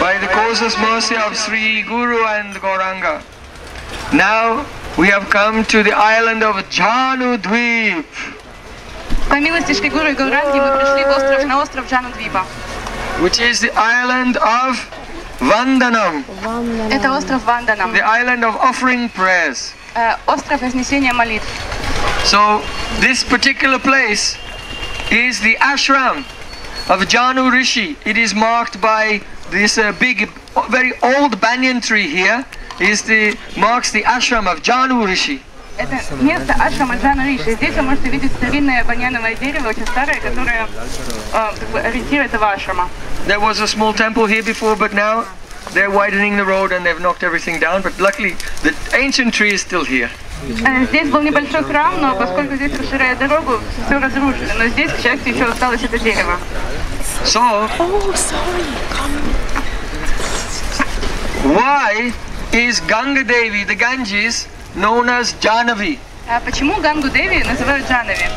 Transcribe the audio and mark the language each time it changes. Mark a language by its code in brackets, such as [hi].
[en] By the causeless mercy of Sri Guru and Gauranga, now we have come to the island of Janu Dweep. [ru] По милости Шри Гуру и Гауранги мы пришли в остров, на остров Джану Двипа. [en] Which is the island of Ванданам. [ru] Это остров Ванданам. [en] The island of offering prayers. [ru] Остров вознесения молитв. [en] So this particular place is the ashram of Janu Rishi. It is marked by this big, very old banyan tree here. Is the marks the ashram of Janu Rishi. [ru] Это место ашрама Джану Риши. Здесь вы можете видеть старинное баньяновое дерево, очень старое, которое ориентирует этого ашрама. [en] There was a small temple here before, but now they're widening the road and they've knocked everything down. But luckily, the ancient tree is still here. [ru] Здесь был небольшой храм, но поскольку здесь расширяют дорогу, все разрушено. Но здесь, к счастью, еще осталось это дерево. [en] So, why is Ganga Devi, the Ganges, known as Janavi? [ru] Почему Гангу Деви называют Джанави?